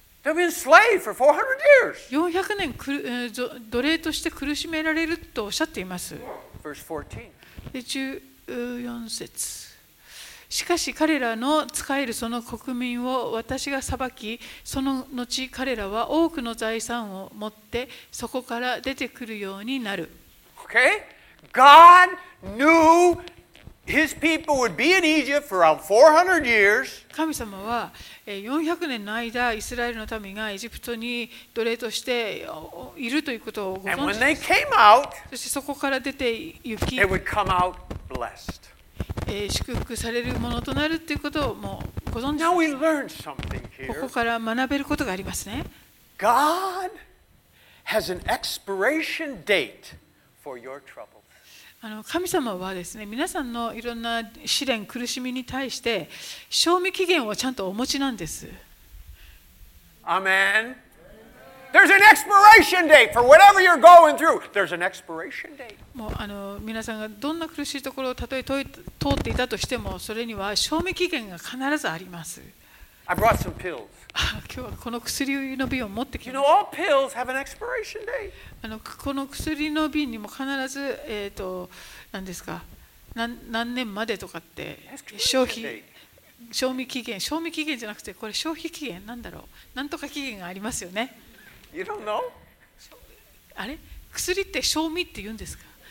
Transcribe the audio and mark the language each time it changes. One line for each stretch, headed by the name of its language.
Japanese: 400年奴隷として苦しめられるとおっしゃっています。 14節、しかし彼らの仕えるその国民を私が裁き、その後彼らは多くの財産を持ってそこから出てくるようになる。
English: Okay? God knew his people would be in Egypt for around 400 years.
Japanese: 神様は400年の間イスラエルの民がエジプトに奴隷としているということをご存知です。
English: And when they came out,
Japanese: そしてそこから出て行き、
English: they would come out blessed.
Japanese: 祝福されるものとなるということをもうご存知です。
English: Now we learn something here.
Japanese: ここから学べることがありますね。
English: God has an expiration date for your trouble.
Japanese: 神様はですね、皆さんのいろんな試練、苦しみに対して賞味期限をちゃんとお持ちなんです。
English: Amen. There's an expiration date for whatever you're going through. There's an expiration date.
Japanese: もう皆さんがどんな苦しいところをたとえ通っていたとしても、それには賞味期限が必ずあります。
English: I brought some pills.
Japanese: 今日はこの薬の瓶を持ってきました。
English: You know, all pills have an expiration date.
Japanese: この薬の瓶にも必ず、何ですか、何年までとかって賞味期限じゃなくて、これ消費期限、何だろう、何とか期限がありますよね。
English: You don't know?
Japanese: あれ、薬って賞味って言うんですか。